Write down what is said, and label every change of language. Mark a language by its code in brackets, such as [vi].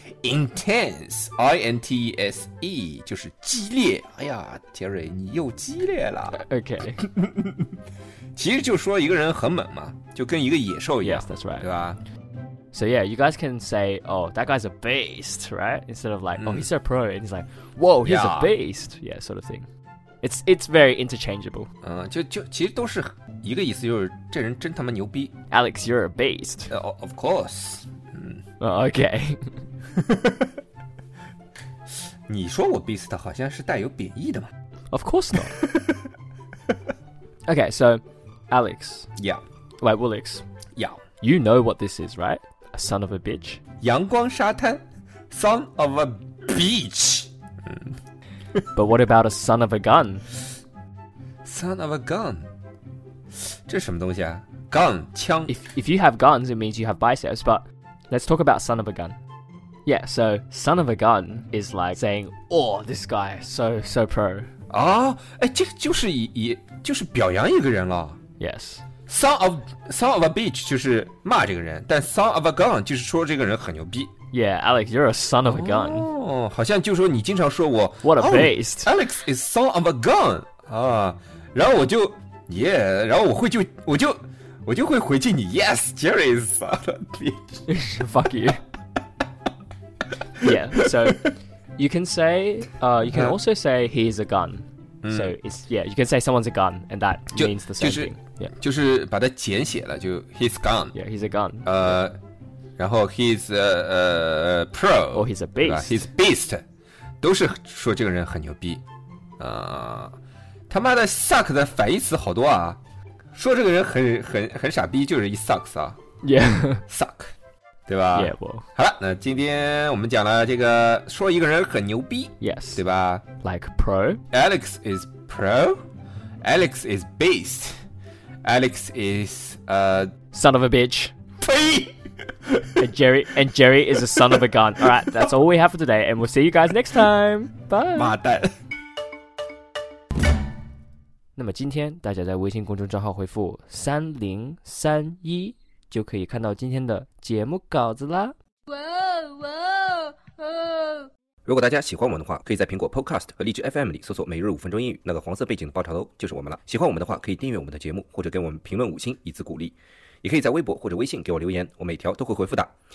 [zh] Intense, I-N-T-S-E, 就是激烈。哎呀，杰瑞，你又激烈了。 [en] OK， [zh] 其实就说一个人很猛嘛，就跟一个野兽一样。 [en] Yes, that's right. [zh] 对吧 [en] ？So yeah, you guys can say, "Oh, that guy's a beast," right? Instead of like,、mm. "Oh, he's a pro," and he's like, "Whoa, he's、 yeah. a beast." Yeah, sort of thing. It's very interchangeable. [zh] 嗯，就其实都是一个意思，就是这人真他妈牛逼。 [en] Alex, you're a beast.、 Of course. 嗯、 oh, ，OK 。 [zh] 你说我 beast 好像是带有贬义的吗 [en] Of course not. Okay, so Alex. Yeah. Wait, Willix. Yeah. You know what this is, right? A son of a bitch. [zh] 阳光沙滩 [en] Son of a beach. But what about a son of a gun? Son of a gun. [zh] 这什么东西啊 Gun, 枪 [en] if you have guns, it means you have biceps. But let's talk about son of a gun. Yeah, so son of a gun is like saying, "Oh, this guy so pro." [zh] Ah, 哎，这就是以就是表扬一个人了。 [en] Yes, son of a bitch [zh] 就是骂这个人，但 [en] son of a gun [zh] 就是说这个人很牛逼。 [en] Yeah, Alex, you're a son of a gun. [zh] 哦，好像就说你经常说我 [en] What a beast!、 Oh, Alex is son of a gun. [zh] 啊，然后我就 Yeah, 然后我就会回敬你 [en] Yes, Jerry is son of a bitch. Fuck you. Yeah, so you can say, you can also say he is a gun.、 [zh] 嗯、 [en] so it's, yeah, you can say someone's a gun and that means the same、 [zh] 就是、 [en] thing. Yeah. [zh] 就是把它简写了就 [en] he's gun. Yeah, he's a gun. [zh] 然后 [en] he's a pro. Or he's a beast. He's a beast. [zh] 都是说这个人很牛逼。他妈的 suck 的反义词好多啊。说这个人很傻逼就是 [en] he sucks [zh] 啊。 [en] Yeah. [zh] Suck. 对吧 [en] yeah, well, [zh] 好了那今天我们讲了这个说一个人很牛逼 [en] Yes [zh] 对吧 [en] Like pro Alex is pro Alex is beast Alex is Son of a bitch [zh] 呸 [en] And Jerry is a son of a gun Alright that's all we have for today And we'll see you guys next time Bye [zh] 妈蛋那么今天大家在微信公众账号回复3031就可以看到今天的节目稿子啦哇哇、如果大家喜欢我们的话可以在苹果 Podcast 和荔枝 FM 里搜索每日五分钟英语那个黄色背景的爆炒楼就是我们了喜欢我们的话可以订阅我们的节目或者给我们评论五星以资鼓励也可以在微博或者微信给我留言我每条都会回复的